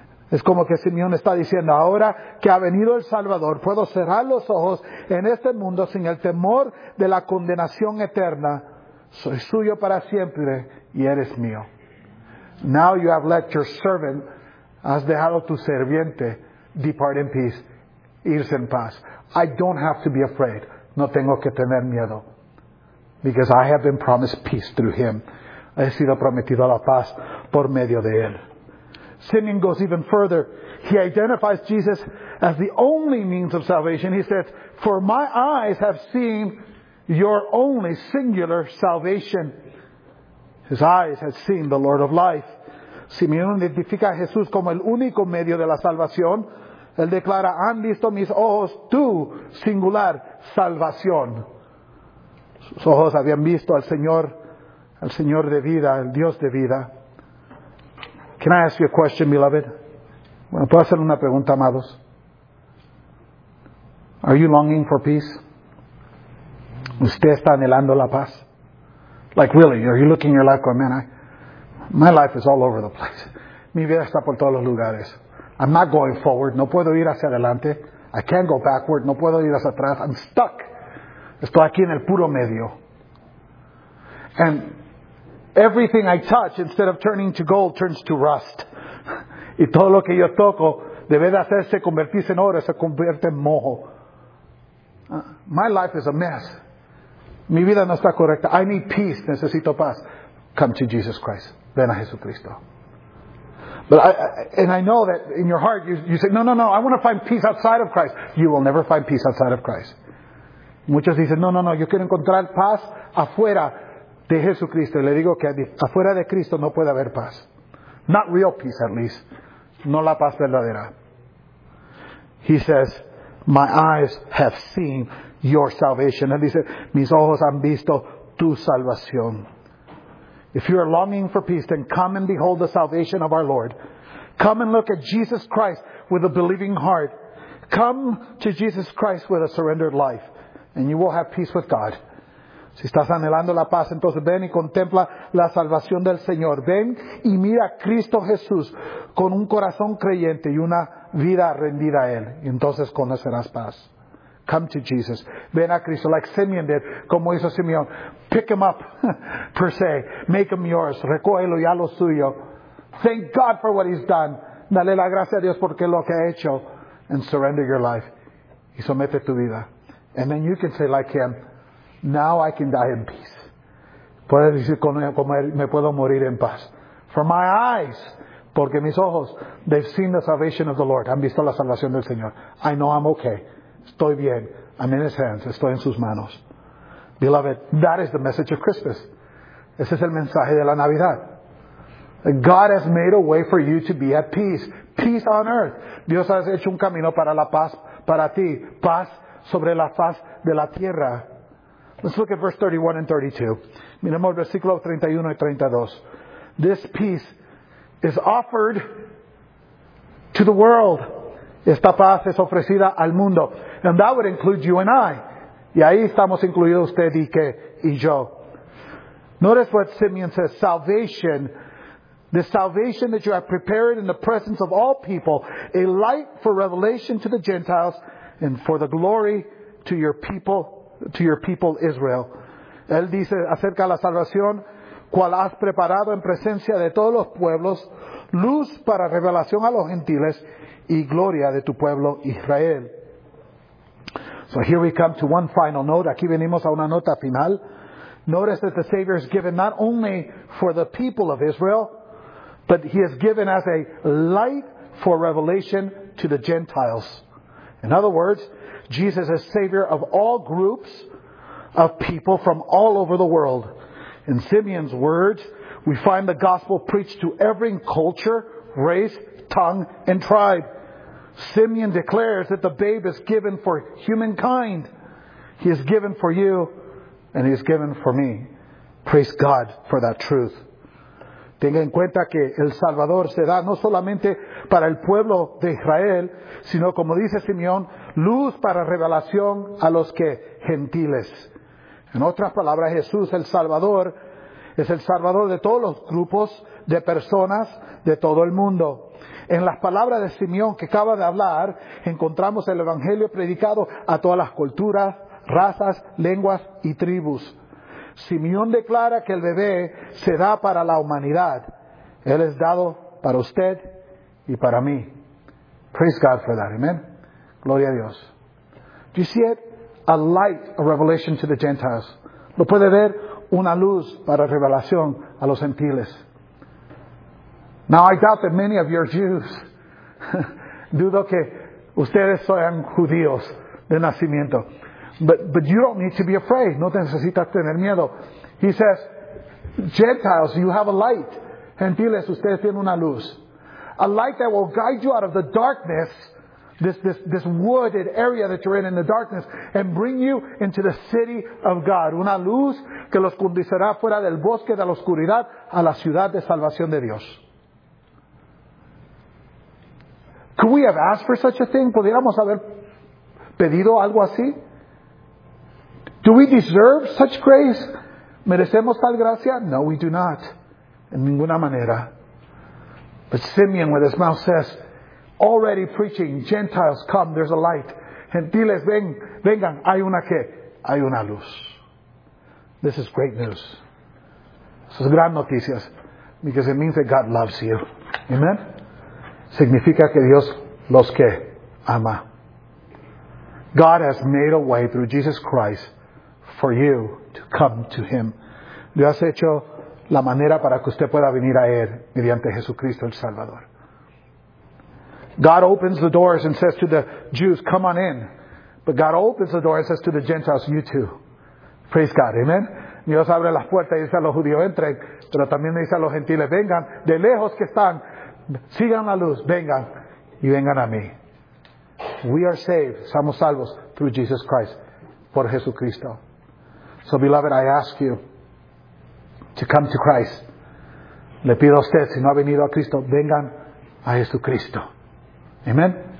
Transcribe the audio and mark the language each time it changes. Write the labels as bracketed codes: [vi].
[es] Es como que Simeón está diciendo, ahora que ha venido el Salvador, puedo cerrar los ojos en este mundo sin el temor de la condenación eterna. Soy suyo para siempre y eres mío. [en] Now you have let your servant, [es] has dejado tu serviente, [en] depart in peace, [es] irse en paz. [en] I don't have to be afraid. [es] No tengo que tener miedo. [en] Because I have been promised peace through him. [es] He sido prometido la paz por medio de él. [en] Simeon goes even further. He identifies Jesus as the only means of salvation. He says, for my eyes have seen your only singular salvation. His eyes have seen the Lord of life. [es] Simeon identifica a Jesús como el único medio de la salvación. Él declara, han visto mis ojos tu singular salvación. Sus ojos habían visto al Señor de vida, al Dios de vida. [en] Can I ask you a question, beloved? [es] Bueno, ¿puedo hacer una pregunta, amados? [en] Are you longing for peace? [es] ¿Usted está anhelando la paz? [en] Like really, are you looking at your life going, man, my life is all over the place. [es] Mi vida está por todos los lugares. [en] I'm not going forward. [es] No puedo ir hacia adelante. [en] I can't go backward. [es] No puedo ir hacia atrás. [en] I'm stuck. [es] Estoy aquí en el puro medio. [en] And everything I touch, instead of turning to gold, turns to rust. [es] Y todo lo que yo toco, debe de hacerse convertirse en oro, se convierte en mojo. [en] My life is a mess. [es] Mi vida no está correcta. [en] I need peace. [es] Necesito paz. [en] Come to Jesus Christ. [es] Ven a Jesucristo. [en] But I know that in your heart you say, no, I want to find peace outside of Christ. You will never find peace outside of Christ. [es] Muchos dicen, no, yo quiero encontrar paz afuera de Jesucristo. Y le digo que afuera de Cristo no puede haber paz. [en] Not real peace, at least. [es] No la paz verdadera. [en] He says, my eyes have seen your salvation. [es] Él dice, mis ojos han visto tu salvación. [en] If you are longing for peace, then come and behold the salvation of our Lord. Come and look at Jesus Christ with a believing heart. Come to Jesus Christ with a surrendered life, and you will have peace with God. [es] Si estás anhelando la paz, entonces ven y contempla la salvación del Señor. Ven y mira a Cristo Jesús con un corazón creyente y una vida rendida a Él. Y entonces conocerás paz. [en] Come to Jesus. [es] Ven a Cristo, [en] like Simeon did, [es] como hizo Simeón. [en] Pick him up, per se. Make him yours. [es] Recógelo ya lo suyo. [en] Thank God for what he's done. [es] Dale la gracia a Dios porque lo que ha hecho. [en] And surrender your life. [es] Y somete tu vida. [en] And then you can say like him, now I can die in peace. [es] Puedes decir como él, me puedo morir en paz. [en] For my eyes, [es] porque mis ojos, [en] they've seen the salvation of the Lord. [es] Han visto la salvación del Señor. [en] I know I'm okay. [es] Estoy bien. [en] I'm in his hands. [es] Estoy en sus manos. [en] Beloved, that is the message of Christmas. [es] Ese es el mensaje de la Navidad. [en] God has made a way for you to be at peace. Peace on earth. [es] Dios ha hecho un camino para la paz, para ti. Paz sobre la faz de la tierra. [en] Let's look at verse 31 and 32. [es] Miremos versículo 31 y 32. [en] This peace is offered to the world. [es] Esta paz es ofrecida al mundo. [en] And that would include you and I. [es] Y ahí estamos incluidos usted y que y yo. [en] Notice what Simeon says. Salvation. The salvation that you have prepared in the presence of all people. A light for revelation to the Gentiles. And for the glory to your people Israel. [es] Él dice acerca de la salvación. Cual has preparado en presencia de todos los pueblos. Luz para revelación a los gentiles. Y gloria de tu pueblo Israel. [en] So here we come to one final note. [es] Aquí venimos a una nota final. [en] Notice that the Savior is given not only for the people of Israel, but he is given as a light for revelation to the Gentiles. In other words, Jesus is Savior of all groups of people from all over the world. In Simeon's words, we find the gospel preached to every culture, race, tongue, and tribe. Simeon declares that the babe is given for humankind. He is given for you, and he is given for me. Praise God for that truth. [es] Tenga en cuenta que el Salvador se da no solamente para el pueblo de Israel, sino como dice Simeón, luz para revelación a los que gentiles. En otras palabras, Jesús, el Salvador, es el Salvador de todos los grupos de personas de todo el mundo. En las palabras de Simeón que acaba de hablar, encontramos el Evangelio predicado a todas las culturas, razas, lenguas y tribus. Simeón declara que el bebé se da para la humanidad. Él es dado para usted y para mí. [en] Praise God for that. Amen. [es] Gloria a Dios. [en] Do you see it? A light, a revelation to the Gentiles. [es] ¿Lo puede ver? Una luz para revelación a los gentiles. [en] Now I doubt that many of you are Jews. [es] Dudo que ustedes sean judíos de nacimiento. [en] But you don't need to be afraid. [es] No te necesitas tener miedo. [en] He says, Gentiles, you have a light. [es] Gentiles, ustedes tienen una luz. [en] A light that will guide you out of the darkness this wooded area that you're in the darkness, and bring you into the city of God. [es] Una luz que los conducirá fuera del bosque de la oscuridad a la ciudad de salvación de Dios. [en] Could we have asked for such a thing? [es] ¿Podríamos haber pedido algo así? [en] Do we deserve such grace? [es] ¿Merecemos tal gracia? [en] No, we do not. [es] En ninguna manera. [en] But Simeon with his mouth says, already preaching, Gentiles come, there's a light. [es] Gentiles, vengan, hay una que, hay una luz. [en] This is great news. [es] Eso es gran noticias. [en] Because it means that God loves you. Amen? [es] Significa que Dios los que ama. [en] God has made a way through Jesus Christ for you to come to Him. [es] Dios ha hecho la manera para que usted pueda venir a Él mediante Jesucristo el Salvador. [en] God opens the doors and says to the Jews, come on in. But God opens the door and says to the Gentiles, you too. Praise God. Amen. [es] Dios abre las puertas y dice a los judíos, entren. Pero también dice a los gentiles, vengan. De lejos que están, sigan la luz, vengan. Y vengan a mí. [en] We are saved. [es] Somos salvos [en] through Jesus Christ. [es] Por Jesucristo. [en] So, beloved, I ask you to come to Christ. [es] Le pido a usted, si no ha venido a Cristo, vengan a Jesucristo. Amen.